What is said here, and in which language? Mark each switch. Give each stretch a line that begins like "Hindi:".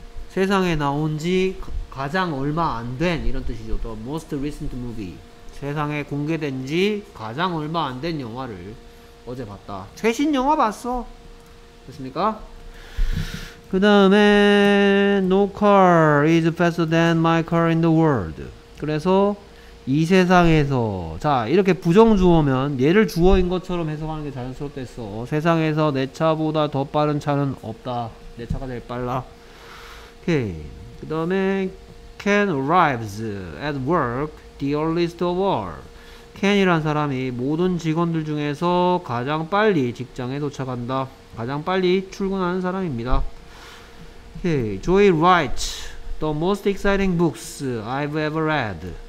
Korean: 세상에 나온 지 가장 얼마 안 된 이런 뜻이죠.
English: The most recent movie.
Korean: 세상에 공개된 지 가장 얼마 안 된 영화를 어제 봤다. 최신 영화 봤어. 됐습니까? 그 다음에
English: no car is faster than my car in the world.
Korean: 그래서 이 세상에서 자 이렇게 부정주어면 얘를 주어인 것처럼 해석하는 게 자연스럽겠어. 세상에서 내 차보다 더 빠른 차는 없다. 내 차가 제일 빨라. 오케이. 그 다음에
English: Ken arrives at work the earliest of all.
Korean: Ken이란 사람이 모든 직원들 중에서 가장 빨리 직장에 도착한다. 가장 빨리 출근하는 사람입니다.
English: Okay, Joy writes the most exciting books I've ever read.